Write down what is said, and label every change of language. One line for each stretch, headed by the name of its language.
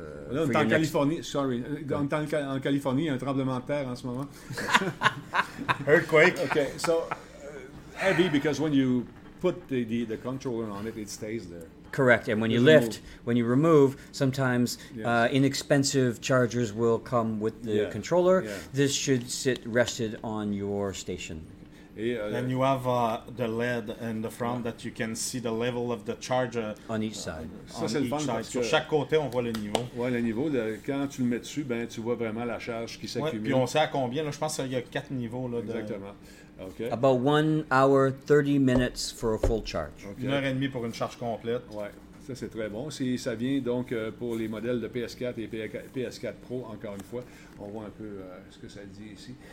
French: En Californie, il y a un tremblement de terre en ce moment.
English: Earthquake. Okay, so heavy because when you put the controller on it, it stays there. Correct, and when you lift, when you remove, sometimes inexpensive chargers will come with the controller. Yeah. This should sit rested on your station. And you have the LED in the front that you can see the level of the charger on each side.
French: Sur chaque côté, on voit le niveau. Ouais, le niveau. Quand tu le mets dessus, ben tu vois vraiment la charge qui s'accumule. Ouais, puis on sait à combien. Là, je pense qu'il y a 4 niveaux. Là, exactement. Okay.
English: About 1 hour, 30 minutes for a full charge.
French: Okay. 1 heure et demie pour une charge complète. Ouais. Ça, c'est très bon. Si ça vient donc pour les modèles de PS4 et PS4 Pro, encore une fois, on voit un peu ce que ça dit ici.